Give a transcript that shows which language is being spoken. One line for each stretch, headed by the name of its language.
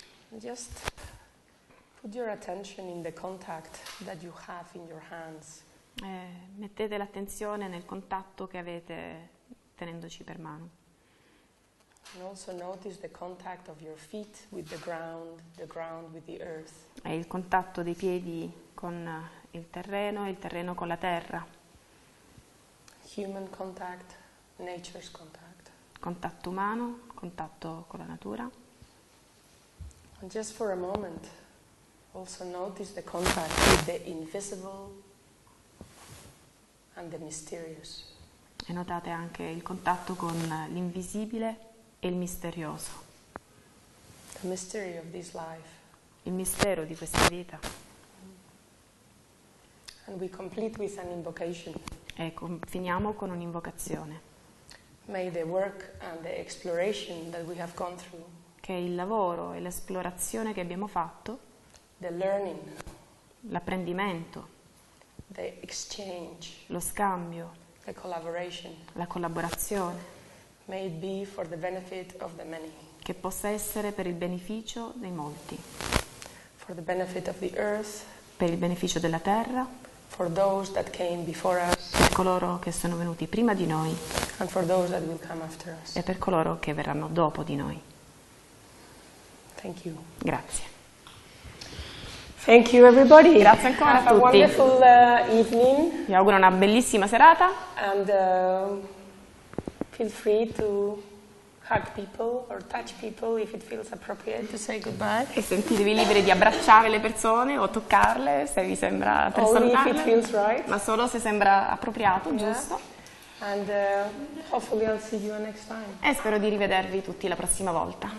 English: Just put your attention in the contact that you have in your hands.
Italian: Mettete l'attenzione nel contatto che avete tenendoci per mano.
English: And also notice the contact of your feet with the ground with the earth.
Italian: È il contatto dei piedi con il terreno con la terra.
English: Human contact, nature's contact.
Italian: Contatto umano, contatto con la natura.
English: And just for a moment, also notice the contact with the invisible and the mysterious.
Italian: E notate anche il contatto con l'invisibile e il misterioso.
English: The mystery of this life.
Italian: Il mistero di questa vita.
English: And we complete with an invocation.
Italian: E finiamo con un'invocazione.
English: May the work and the exploration that we have gone through.
Italian: Che il lavoro e l'esplorazione che abbiamo fatto.
English: The learning.
Italian: L'apprendimento.
English: The exchange.
Italian: Lo scambio.
English: The collaboration.
Italian: La collaborazione.
English: May it be for the benefit of the many.
Italian: Che possa essere per il beneficio dei molti.
English: For the benefit of the earth.
Italian: Per il beneficio della terra.
English: For those that came before us.
Italian: Per coloro che sono venuti prima di noi.
English: And for those that will come after us.
Italian: E per coloro che verranno dopo di noi.
English: Thank you.
Italian: Grazie.
English: Thank you everybody.
Italian: Grazie ancora a tutti.
English: Have a wonderful evening.
Italian: Vi auguro una bellissima serata.
English: And feel free to hug people or touch people if it feels appropriate to say goodbye.
Italian: E sentitevi liberi di abbracciare le persone o toccarle se vi sembra per salutarle.
English: Only if it feels right.
Italian: Ma solo se sembra appropriato, yeah. Giusto.
English: And hopefully I'll see you next time.
Italian: E spero di rivedervi tutti la prossima volta.